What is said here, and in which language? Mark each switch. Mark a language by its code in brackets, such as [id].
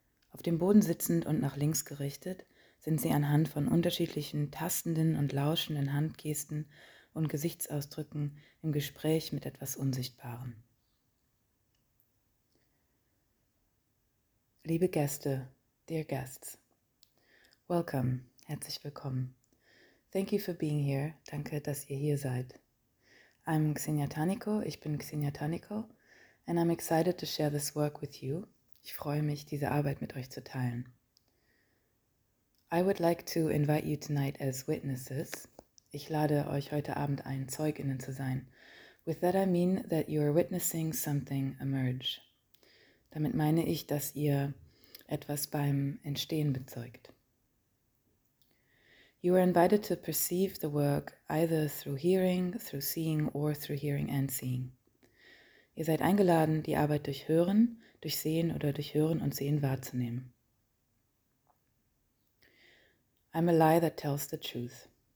[de] Auf dem Boden sitzend und nach links gerichtet, sind sie anhand von unterschiedlichen tastenden und lauschenden Handgesten und Gesichtsausdrücken im Gespräch mit etwas Unsichtbarem. Liebe Gäste, [en] dear guests, welcome, [de] herzlich willkommen. [en] Thank you for being here, [de] danke, dass ihr hier seid. [en] I'm Xenia Tarnico, [de] ich bin Xenia Tarnico, [en] and I'm excited to share this work with you. [de] Ich freue mich, diese Arbeit mit euch zu teilen. [en] I would like to invite you tonight as witnesses. [de] Ich lade euch heute Abend ein, Zeuginnen zu sein. [en] With that I mean that you are witnessing something emerge. [de] Damit meine ich, dass ihr etwas beim Entstehen bezeugt. [en] You are invited to perceive the work either through hearing, through seeing or through hearing and seeing. [de] Ihr seid eingeladen, die Arbeit durch Hören, durch Sehen oder durch Hören und Sehen wahrzunehmen. [en] I'm a lie that tells the truth.